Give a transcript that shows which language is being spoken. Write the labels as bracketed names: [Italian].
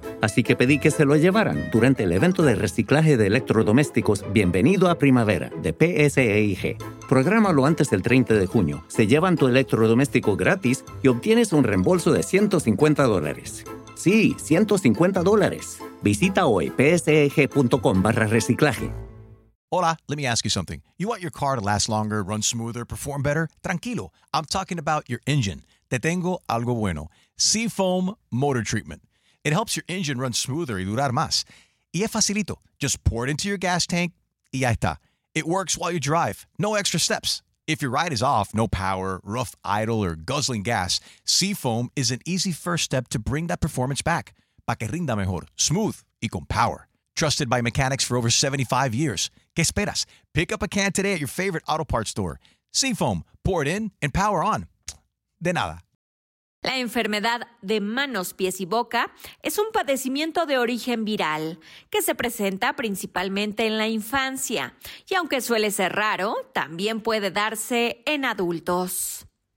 [Spanish] Así que pedí que se lo llevaran durante el evento de reciclaje de electrodomésticos Bienvenido a Primavera, de PSEIG. Prográmalo antes del 30 de junio. Se llevan tu electrodoméstico gratis y obtienes un reembolso de $150. Sí, $150. Visita hoy pseg.com/reciclaje. Hola, [English] let me ask you something. You want your car to last longer, run smoother, perform better? [Spanish] Tranquilo, [English] I'm talking about your engine. [Spanish] Te tengo algo bueno. Seafoam Motor Treatment. [English] It helps your engine run smoother [Spanish] y durar más. Y es facilito. [English] Just pour it into your gas tank [Spanish] y ya está. [English] It works while you drive. No extra steps. If your ride is off, no power, rough idle, or guzzling gas, Seafoam is an easy first step to bring that performance back. [Spanish] Para que rinda mejor, [English] smooth [Spanish] y con [English] power. Trusted by mechanics for over 75 years. [Spanish] ¿Qué esperas? [English] Pick up a can today at your favorite auto parts store. Seafoam. Pour it in and power on. [Spanish] De nada. La enfermedad de manos, pies y boca es un padecimiento de origen viral que se presenta principalmente en la infancia y, aunque suele ser raro, también puede darse en adultos.